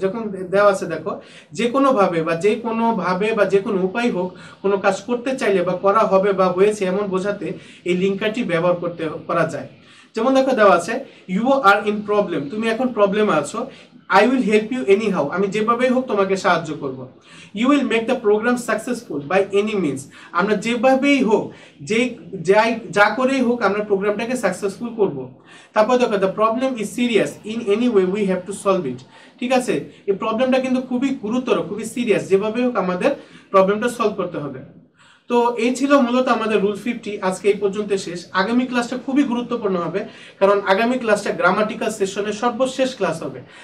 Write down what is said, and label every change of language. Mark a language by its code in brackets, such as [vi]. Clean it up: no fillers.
[bn] যখন দেওয়া আছে দেখো যে কোনোভাবে বা যে কোনোভাবে বা যে কোনো উপায় হোক, কোনো কাজ করতে চাইলে বা করা হবে বা হয়েছে এমন বোঝাতে এই লিঙ্কারটি ব্যবহার করতে করা যায়। যেমন দেখো দেওয়া আছে [en] you are in problem, [bn] তুমি এখন প্রবলেমে আছো, [en] I will help you anyhow. [bn] আমি যেভাবেই হোক তোমাকে সাহায্য করব. [en] You will make the program successful by any means. [bn] আমরা যেভাবেই হোক যে যা করেই হোক আমরা প্রোগ্রামটাকে সাকসেসফুল করব. তারপর দেখো [en] The problem is serious in any way we have to solve it. [bn] ঠিক আছে, এই প্রবলেমটা কিন্তু খুবই গুরুতর, খুবই সিরিয়াস, যেভাবেই হোক আমাদের প্রবলেমটা সলভ করতে হবে. তো এই ছিল মূলত আমাদের রুল 50, আজকে এই পর্যন্ত শেষ. আগামী ক্লাসটা খুবই গুরুত্বপূর্ণ হবে, কারণ আগামী ক্লাসটা গ্রামাটিক্যাল সেশনের সর্বশেষ ক্লাস হবে.